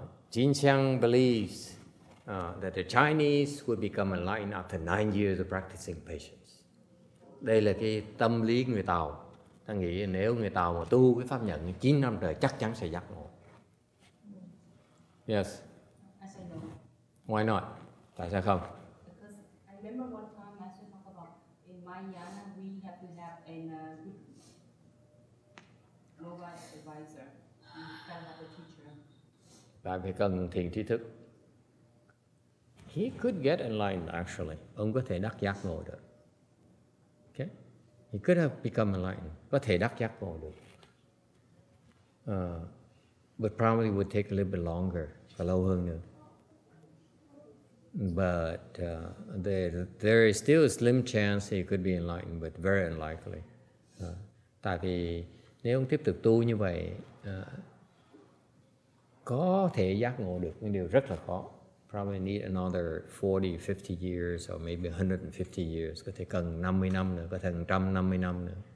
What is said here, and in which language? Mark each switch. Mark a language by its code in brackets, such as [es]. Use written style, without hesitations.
[en] Jin Xiang believes that the Chinese would become enlightened after 9 years of practicing patience. [vi] Đây là cái tâm lý người Tàu. Ta nghĩ nếu người Tàu mà tu cái pháp nhẫn 9 năm trời chắc chắn sẽ giác ngộ. [en] Yes. I said no. Why not? [vi] Tại sao không? [en] Because I remember one time Master talked about in Mahayana we have to have a global advisor. We can have a teacher. [vi] Tại vì cần thiền trí thức. [en] He could get enlightened actually. [vi] Ông có thể đắc giác ngộ được. [en] Okay? He could have become enlightened. [vi] Có thể đắc giác ngộ được. [en] But probably would take a little bit longer. [vi] Lâu hơn nữa. [en] But there is still a slim chance he could be enlightened, but very unlikely. [vi] Tại vì nếu ông tiếp tục tu như vậy, có thể giác ngộ được nhưng điều rất là khó. [en] Probably need another 40, 50 years or maybe 150 years. [vi] Có thể cần 50 năm nữa, có thể 150 năm nữa.